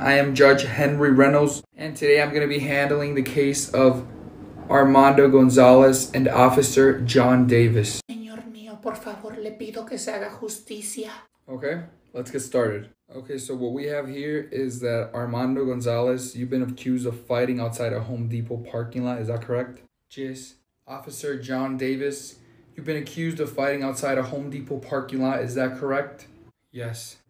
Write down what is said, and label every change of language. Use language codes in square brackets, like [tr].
[en] I am Judge Henry Reynolds, and today I'm going to be handling the case of Armando Gonzalez and Officer John Davis. [es] Señor mío, por favor, le pido que se haga justicia. [en] Okay, let's get started. Okay, so what we have here is that Armando Gonzalez, you've been accused of fighting outside a Home Depot parking lot. Is that correct? Yes. Officer John Davis, you've been accused of fighting outside a Home Depot parking lot. Is that correct? Yes.